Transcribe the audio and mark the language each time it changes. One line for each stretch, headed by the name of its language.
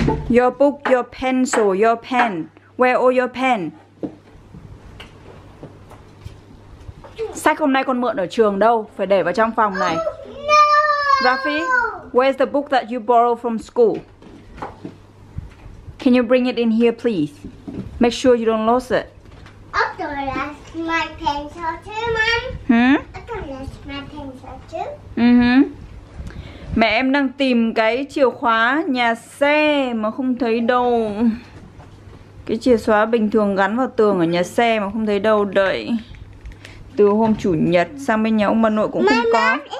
English: Your book, your pencil, your pen. Where are your pen?
Vietnamese: Sách hôm nay con mượn ở trường đâu? Phải để vào trong phòng này.
English: No! Rafi, where's the book that you borrowed from school? Can you bring it in here, please? Make sure you don't lose it. I'm gonna lose my pencil too, Mom. Hmm? I'm gonna lose my pencil too. Mm-hmm.
Vietnamese: Mẹ em đang tìm cái chìa khóa nhà xe mà không thấy đâu. Cái chìa khóa bình thường gắn vào tường ở nhà xe mà không thấy đâu đấy. Từ hôm chủ nhật sang bên nhà ông bà nội cũng không có.